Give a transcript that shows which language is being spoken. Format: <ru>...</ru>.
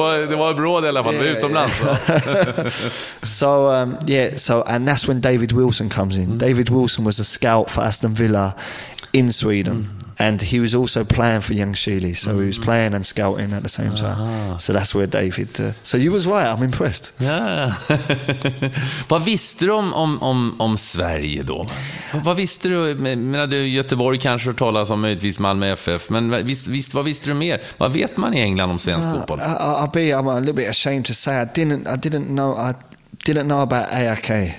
<sv>Det var bra i alla fall, utomlands.</sv> <en>So, and that's when David Wilson comes in. David Wilson was a scout for Aston Villa in Sweden. And he was also playing for Young Sheely, so he was playing and scouting at the same time. So that's where David... So you was right, I'm impressed. Yeah.</en> <sv>Vad visste du om Sverige då? Vad visste du? Menar du Göteborg kanske har talat om, möjligtvis Malmö FF, men vad visste du mer? Vad vet man i England om svensk fotboll?</sv> <en>I'm a little bit ashamed to say I didn't know about AIK.</en>